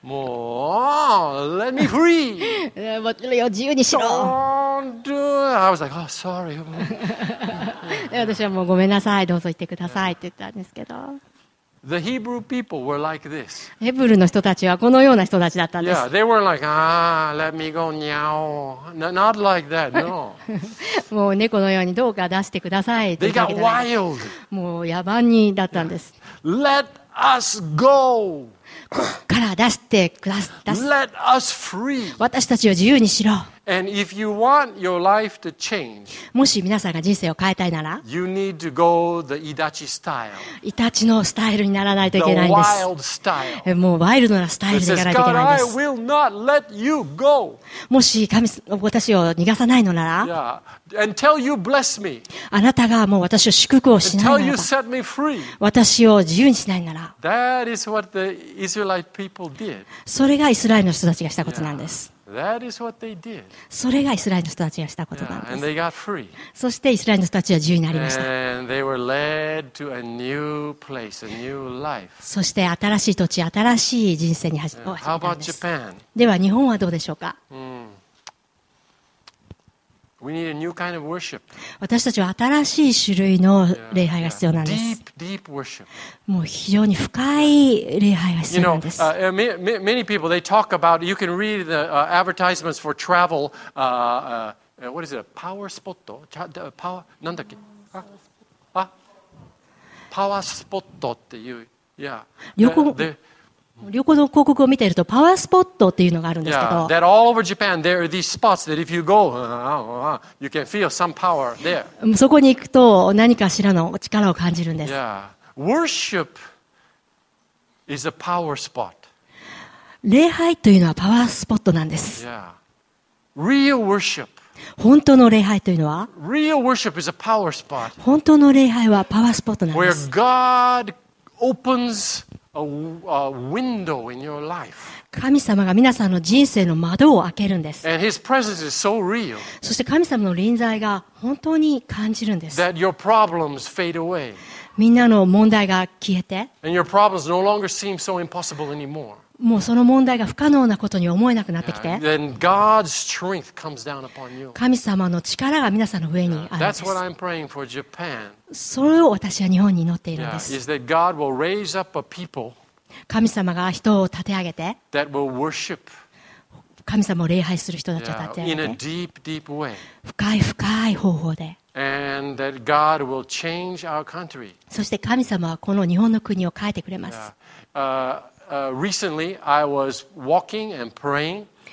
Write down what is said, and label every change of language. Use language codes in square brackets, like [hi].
[en] もう、let me free! [ja] もちろん自由にしろ [en] Don't do it! I was like, oh, sorry. [ja] 私はもうごめんなさい、どうぞ行ってくださいって言ったんですけど。 [en] The Hebrew people were like this. [ja] ヘブルの人たちはこのような人たちだったんです。 [en] Yeah, they weren't like, let me go, meow. Not like that, no. [ja] もう猫のようにどうか出してください。 [en] They got wild. [ja] もう野蛮にだったんです。 [en] Let us go. [ja] から出してください。 [en] Let us free. [ja] 私たちを自由にしろ。 [en] And if you want your life to change, [ja] もし皆さんが人生を変えたいなら、 [en] you need to go the Itachi style. [ja] イタチのスタイルにならないといけないんです。 [en] The wild style. [ja] もうワイルドなスタイルにならないといけないんです。 [en] God, I will not let you go. [ja] もし神私を逃がさないのなら、 [en] yeah. Until you bless me. [ja] あなたがもう私を祝福をしないならば、 [en] Until you set me free. [ja] 私を自由にしないなら、 [en] That is what the Israelite people did. [ja] それがイスラエルの人たちがしたことなんです。 [en] Yeah. That is what they did. [ja] それがイスラエルの人たちがしたことなんです。 [en] Yeah, and they got free. [ja] そしてイスラエルの人たちは自由になりました。 [en] And they were led to a new place, a new life. [ja] そして新しい土地、新しい人生に始まったんです。 [en] Japan? [ja] では日本はどうでしょうか。 [en] We need a new kind of worship. [ja] 私たちは新しい種類の礼拝が必要なんです。 [en] Deep, deep worship. [ja] もう非常に深い礼拝が必要なんです。 [en] You know, many people they talk about. You can read the advertisements for travel. What is it? Power spot? Power? [ja] なんだっけ？あ、パワースポットっていう。 [en] Yeah. [ja] 旅行の広告を見ているとパワースポットっていうのがあるんですけど、 [en] yeah, that all over Japan, there are these spots that if you go, you can feel some power there. [ja] そこに行くと何かしらの力を感じるんです。 [en] Yeah. Worship is a power spot. [ja] 礼拝というのはパワースポットなんです。 [en] Yeah. Real worship. [ja] 本当の礼拝というのは、 [en] Real worship is a power spot. [ja] 本当の礼拝はパワースポットなんです。 [en] Where God opens a window in your life. [ja] 神様が皆さんの人生の窓を開けるんです。 [en] And his presence is so real. [ja] そして神様の臨在が本当に感じるんです。 [en] That your problems fade away. [ja] みんなの問題が消えて。 [en] And your problems no longer seem so impossible anymore. [ja] もうその問題が不可能なことに思えなくなってきて。 [en] Yeah. Then God's strength comes down upon you. [ja] 神様の力が皆さんの上にあるんです。 [en] Yeah. That's what I'm praying for Japan. [ja] それを私は日本に祈っているんです。 [en] Yeah, is that God will raise up a people [ja] 神様が人を立て上げて [en] that will worship [ja] 神様を礼拝する人たちを立て上げて [en] in a deep, deep way. [ja] 深い深い方法で [en] and that God will change our country. [ja] そして神様はこの日本の国を変えてくれます。 [en] Recently, I was walking and praying.